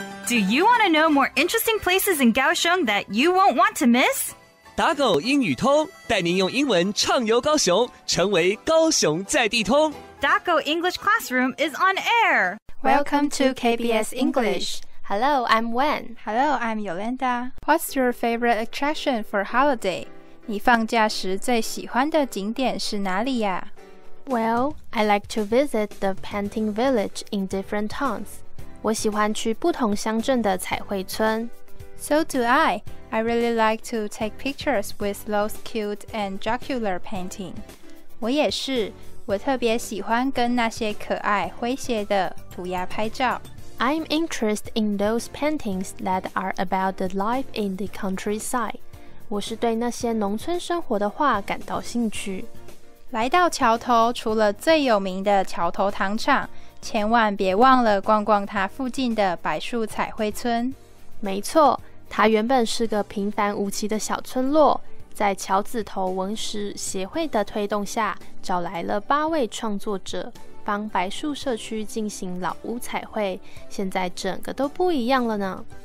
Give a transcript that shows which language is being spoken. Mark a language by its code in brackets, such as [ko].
[en] Do you want to know more interesting places in Kaohsiung that you won't want to miss? [zh] 打狗英语通，带您用英文畅游高雄，成为高雄在地通。 [en] 打狗 English Classroom is on air. Welcome to KBS English. Hello, I'm Wen. Hello, I'm Yolanda. What's your favorite attraction for holiday? [zh] 你放假时最喜欢的景点是哪里呀？ [en] Well, I like to visit the painting village in different towns. [zh] 我喜欢去不同乡镇的彩绘村。 [en] So do I. I really like to take pictures with those cute and jocular painting. [zh] 我也是。我特别喜欢跟那些可爱诙谐的涂鸦拍照。 [en] I'm interested in those paintings that are about the life in the countryside. [zh] 我是对那些农村生活的画感到兴趣。来到桥头，除了最有名的桥头糖厂，千万别忘了逛逛它附近的白树彩绘村。没错，它原本是个平凡无奇的小村落，在桥子头文史协会的推动下，找来了八位创作者，帮白树社区进行老屋彩绘，现在整个都不一样了呢。